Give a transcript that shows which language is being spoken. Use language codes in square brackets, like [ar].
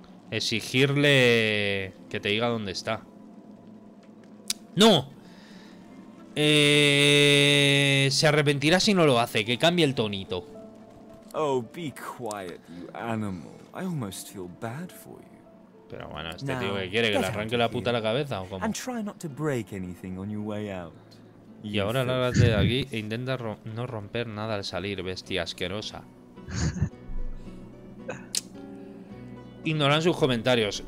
[es] Exigirle que te diga dónde está. ¡No! Se arrepentirá si no lo hace, que cambie el tonito. [en] Oh, be quiet, you animal. I almost feel bad for you. [es] Pero bueno, este tío que quiere que le arranque la puta la cabeza o cómo. [en] And try not to break anything on your way out. [es] Y ahora lárgate de aquí e intenta no romper nada al salir, bestia asquerosa. Ignoran sus comentarios.